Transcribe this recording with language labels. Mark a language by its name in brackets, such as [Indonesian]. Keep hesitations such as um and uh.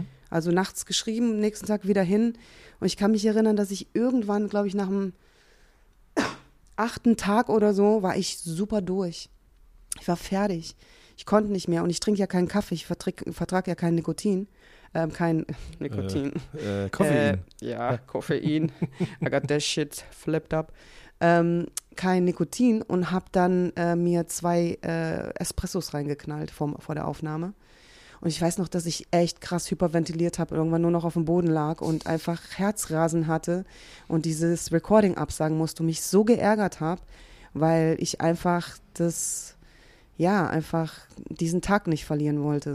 [German] Also nachts geschrieben, nächsten Tag wieder hin. Und ich kann mich erinnern, dass ich irgendwann, glaube ich, nach dem achten Tag oder so, war ich super durch. Ich war fertig. Ich konnte nicht mehr. Und ich trinke ja keinen Kaffee, ich vertrage vertrag ja keinen Nikotin. Ähm, kein Nikotin. Äh, äh, Koffein. Äh, ja, Koffein. [English] I got that shit flipped up. [German] Ähm, kein Nikotin und habe dann äh, mir zwei äh, Espressos reingeknallt vom, vor der Aufnahme. Und ich weiß noch, dass ich echt krass hyperventiliert habe, irgendwann nur noch auf dem Boden lag und einfach Herzrasen hatte und dieses Recording absagen musste und mich so geärgert habe, weil ich einfach das, ja, einfach diesen Tag nicht verlieren wollte.